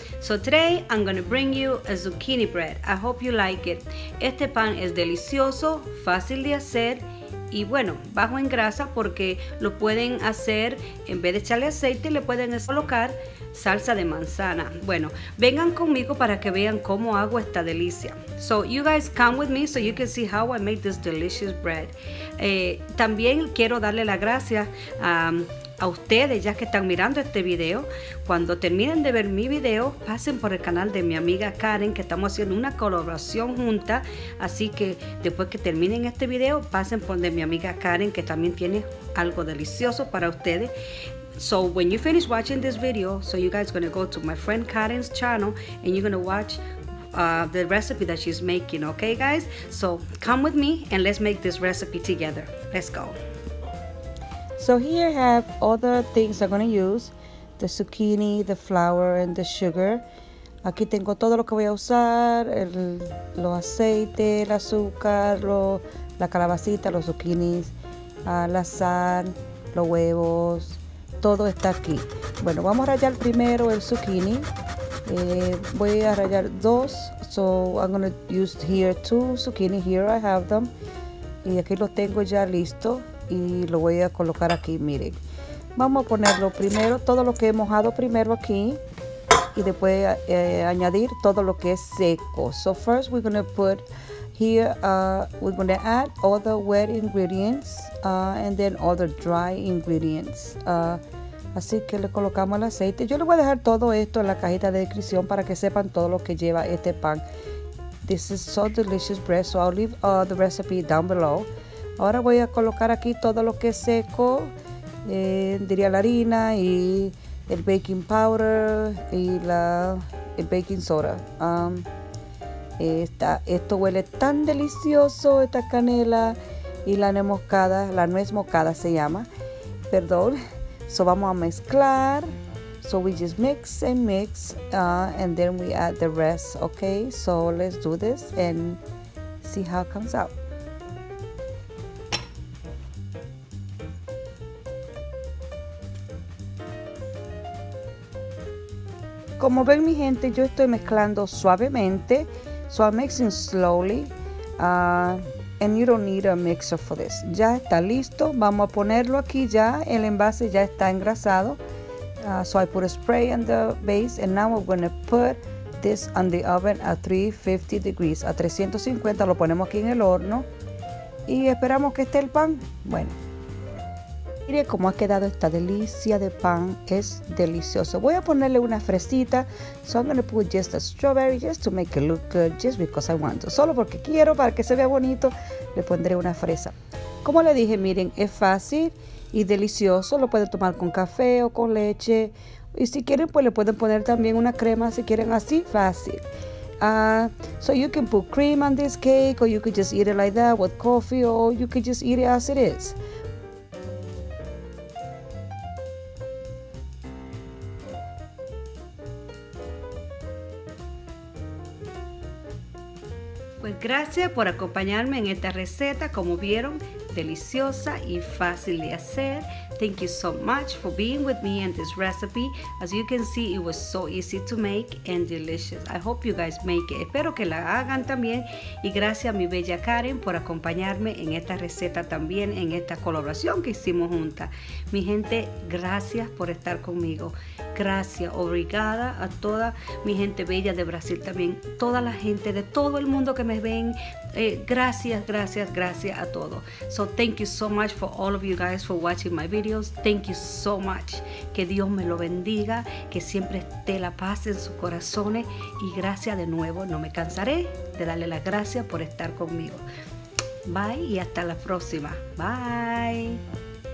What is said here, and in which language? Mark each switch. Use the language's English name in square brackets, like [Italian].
[English] So today I'm going to bring you a zucchini bread. I hope you like it. [Spanish] Este pan es delicioso, fácil de hacer y bueno, bajo en grasa, porque lo pueden hacer, en vez de echarle aceite, le pueden colocar salsa de manzana. Bueno, vengan conmigo para que vean cómo hago esta delicia. [English] So you guys come with me so you can see how I make this delicious bread. [Spanish] También quiero darle las gracias a ustedes, ya que están mirando este video. Cuando terminen de ver mi video, pasen por el canal de mi amiga Karen, que estamos haciendo una colaboración junta. Así que después que terminen este video, pasen por de mi amiga Karen, que también tiene algo delicioso para ustedes. [English] So when you finish watching this video, so you guys gonna go to my friend Karen's channel and you're gonna watch the recipe that she's making. Okay, guys, so come with me and let's make this recipe together. Let's go. So here I have other things I'm gonna use: the zucchini, the flour, and the sugar. [Spanish] Aquí tengo todo lo que voy a usar: los aceites, el azúcar, la calabacita, los zucchinis, la sal, los huevos. Todo está aquí. Bueno, vamos a rallar primero el zucchini. Voy a rallar dos. [English] So I'm gonna use here two zucchini. Here I have them. [Spanish] Y aquí los tengo ya listo. Y lo voy a colocar aquí, miren. Vamos a ponerlo primero, todo lo que he mojado primero aquí. Y después añadir todo lo que es seco. [English] So first we're going to put here, we're going to add all the wet ingredients. And then all the dry ingredients. [Spanish] Así que le colocamos el aceite. Yo le voy a dejar todo esto en la cajita de descripción para que sepan todo lo que lleva este pan. [English] This is so delicious bread, so I'll leave the recipe down below. [Spanish] Ahora voy a colocar aquí todo lo que es seco, diría la harina y el baking powder y el baking soda. Esto huele tan delicioso, esta canela y la nuez moscada, se llama, perdón. So vamos a mezclar. [English] So we just mix and mix, and then we add the rest, okay? So let's do this and see how it comes out. [Spanish] Como ven, mi gente, yo estoy mezclando suavemente. [English] So I'm mixing slowly. And you don't need a mixer for this. [Spanish] Ya está listo. Vamos a ponerlo aquí ya. El envase ya está engrasado. [English] So I put a spray on the base. And now we're going to put this on the oven at 350 degrees. [Spanish] A 350 lo ponemos aquí en el horno. Y esperamos que esté el pan. Bueno. Mire cómo ha quedado esta delicia de pan, es delicioso. Voy a ponerle una fresita, [English] so I'm gonna put just a strawberry just to make it look good, just because I want to. [Spanish] Solo porque quiero, para que se vea bonito, le pondré una fresa. Como le dije, miren, es fácil y delicioso. Lo pueden tomar con café o con leche. Y si quieren, pues le pueden poner también una crema, si quieren, así, fácil. [English] So you can put cream on this cake, or you could just eat it like that with coffee, or you could just eat it as it is. [Spanish] Pues gracias por acompañarme en esta receta. Como vieron, deliciosa y fácil de hacer. [English] Thank you so much for being with me in this recipe. As you can see, it was so easy to make and delicious. I hope you guys make it. [Spanish] Espero que la hagan también. Y gracias a mi bella Karen por acompañarme en esta receta también, en esta colaboración que hicimos juntas. Mi gente, gracias por estar conmigo. Gracias, obrigada a toda mi gente bella de Brasil también. Toda la gente de todo el mundo que me ven. Gracias, gracias, gracias a todos. [English] So thank you so much for all of you guys for watching my videos. Thank you so much. [Spanish] Que Dios me lo bendiga. Que siempre esté la paz en sus corazones. Y gracias de nuevo. No me cansaré de darle las gracias por estar conmigo. Bye y hasta la próxima. Bye.